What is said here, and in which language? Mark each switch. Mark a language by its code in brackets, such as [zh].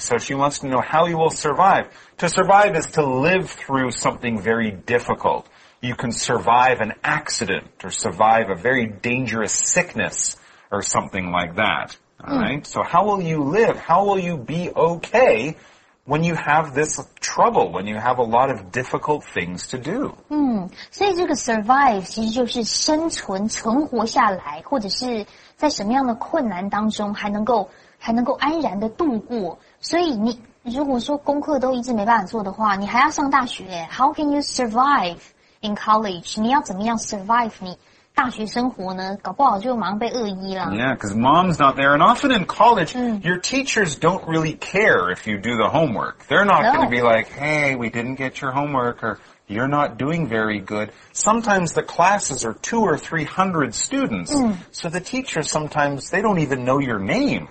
[en] So she wants to know how he will survive. To survive is to live through something very difficult. You can survive an accident or survive a very dangerous sickness or something like that. All right. So how will you live? How will you be okay? When you have this trouble, when you have a lot of difficult things to do. [zh] 所以这个 survive 其实就是生存，存活下来，或者是在什么样的困难当中还能够安然的度过。所以你如果说功课都一直没办法做的话，你还要上大学。 [en] How can you survive in college? [zh] 你要怎么样 survive 你大学生活呢？搞不好就马上被恶意了。 [en] Yeah, because Mom's not there. And often in college, your teachers don't really care if you do the homework. They're not going to be like, hey, we didn't get your homework, or you're not doing very good. Sometimes the classes are 200 or 300 students. So the teachers sometimes, they don't even know your name.